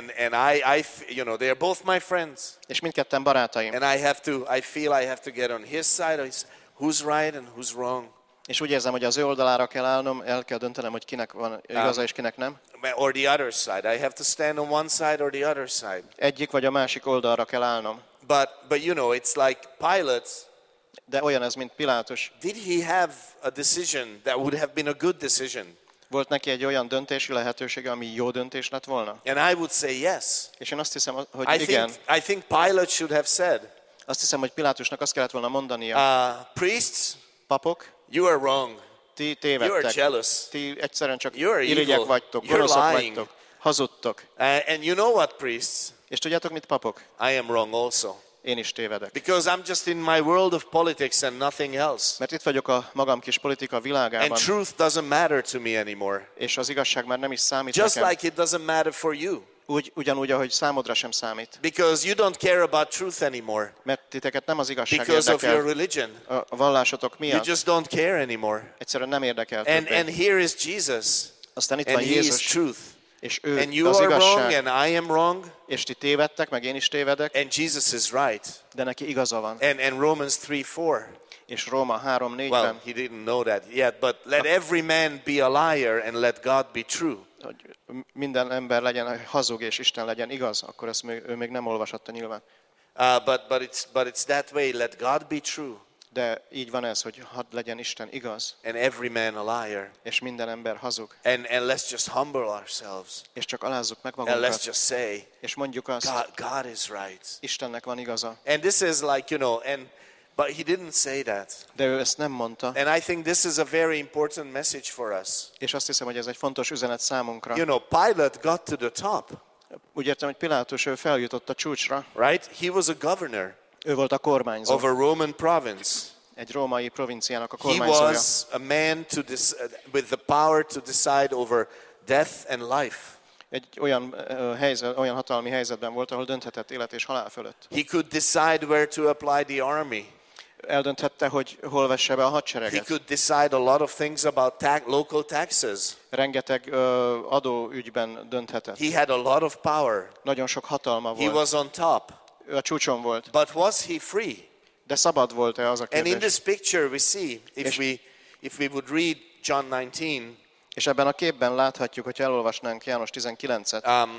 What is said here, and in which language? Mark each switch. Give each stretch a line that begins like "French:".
English: And I you know, they are both my friends.
Hungarian: És mindketten barátaim.
English: And I feel I have to get on his side or his. Who's right and who's wrong?
Hungarian: És úgy érzem, hogy az ő oldalára kell állnom, el kell döntenem, hogy kinek van igaza és kinek nem.
English: Or the other side. I have to stand on one side or the other side.
Hungarian: Egyik vagy a másik oldalra kell állnom.
English: But you know, it's like Pilate.
Hungarian: De olyan ez, mint Pilátus.
English: Did he have a decision that would have been a good decision?
Hungarian: Volt neki egy olyan döntési lehetősége, ami jó döntés lett volna?
English: And I would say yes.
Hungarian: És én azt hiszem, hogy
English: I
Hungarian: igen.
English: I think Pilate should have said.
Hungarian: Azt hiszem, hogy Pilátusnak azt kellett volna mondania.
English: Priests,
Hungarian: papok,
English: you are wrong.
Hungarian: Ti tévedtek.
English: You are jealous.
Hungarian: Ti egyszerűen csak irigyek vagytok, gonoszok vagytok, hazudtok.
English: And you know what, priests?
Hungarian: És tudjátok mit, papok?
English: I am wrong also.
Hungarian: Én is tévedek.
English: Because I'm just in my world of politics and nothing else.
Hungarian: Mert itt vagyok a magam kis politika világában.
English: And truth doesn't matter to me anymore.
Hungarian: És az igazság már nem is számít
English: just
Hungarian: nekem.
English: Like it doesn't matter for you.
Hungarian: Ugyanúgy, ahogy számodra sem számít.
English: Because you don't care about truth anymore.
Hungarian: Mert titeket nem az igazság érdekel.
English: Because of your religion.
Hungarian: A vallásotok miatt.
English: You just don't care anymore.
Hungarian: Egyszerűen nem érdekel.
English: And here is Jesus.
Hungarian: Aztán itt
English: and
Hungarian: van Jézus.
English: He is truth.
Hungarian: És ő
English: and you
Hungarian: az
English: are
Hungarian: igazság.
English: Wrong and I am wrong.
Hungarian: És ti tévedtek, meg én is tévedek.
English: And Jesus is right.
Hungarian: De neki igaza van.
English: And Romans 3:4.
Hungarian: És Róma 3:4-ben.
English: Well, he didn't know that yet, but let every man be a liar and let God be true.
Hungarian: Minden ember legyen hazug és Isten legyen igaz, akkor ezt ő még nem olvashatta nyilván.
English: But it's that way, let God be true.
Hungarian: De így van ez, hogy hadd legyen Isten igaz.
English: And every man a liar.
Hungarian: És minden ember hazug.
English: And let's just humble ourselves.
Hungarian: És csak alázzuk meg magunkat.
English: And let's just say.
Hungarian: És mondjuk azt.
English: God is right.
Hungarian: Istennek van igaza.
English: And this is like, you know, and but he didn't say that.
Hungarian: De ő ezt nem mondta.
English: And I think this is a very important message for us.
Hungarian: És azt hiszem, hogy ez egy fontos üzenet számunkra.
English: You know, Pilate got to the top.
Hungarian: Úgy értem, hogy Pilátus, ő feljutott a csúcsra.
English: Right? He was a governor.
Hungarian: Ő volt a kormányzó.
English: Of a Roman province.
Hungarian: Egy római provinciának a kormányzója.
English: He was a man to this, with the power to decide over death and life.
Hungarian: Egy olyan helyzet, olyan hatalmi helyzetben volt, ahol dönthetett élet és halál fölött.
English: He could decide where to apply the army.
Hungarian: Eldönthette, hogy hol vesse be a hadsereget.
English: He could decide a lot of things about local taxes.
Hungarian: Rengeteg adó ügyben dönthetett.
English: He had a lot of power.
Hungarian: Nagyon sok hatalma volt.
English: He was on top.
Hungarian: Ő a csúcson volt.
English: But was he free?
Hungarian: De szabad volt-e az a kérdés?
English: And in this picture we see, if we would read John 19.
Hungarian: És ebben a képben láthatjuk, hogy elolvasnánk János 19-et.